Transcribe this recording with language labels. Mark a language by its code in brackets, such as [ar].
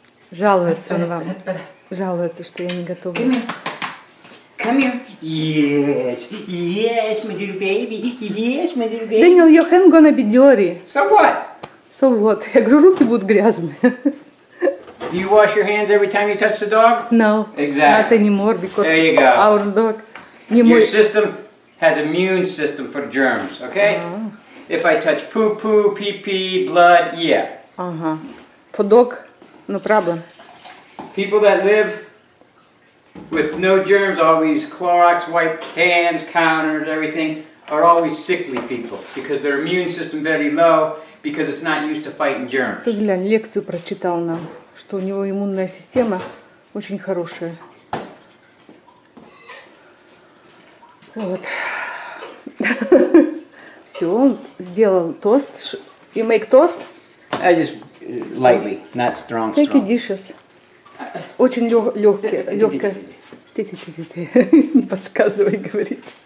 [ru] Жалуется он вам. Жалуется, что я не готова. [en] Come here. Come here. Yes, yes, my little baby. Yes, my little baby. Daniel, your hand gonna be dirty. So what? So what? [ru] Я говорю, руки будут грязные. [en] Do you wash your hands every time you touch the dog? No. Exactly. Not anymore, because there you go. Our dog. Your system has immune system for germs, okay? Uh-huh. If I touch poo-poo, pee-pee, blood, yeah. Uh-huh. For dog, no problem. People that live with no germs, always Clorox, white cans, counters, everything, are always sickly people because their immune system very low because it's not used to fighting germs. [ru] Ты глянь, лекцию прочитал нам, что у него иммунная система очень хорошая. Вот. Все, он сделал тост. [en] You make toast? I just lightly, not strong. Take it dishes. [ru] Очень легкое. Не подсказывай, говорит.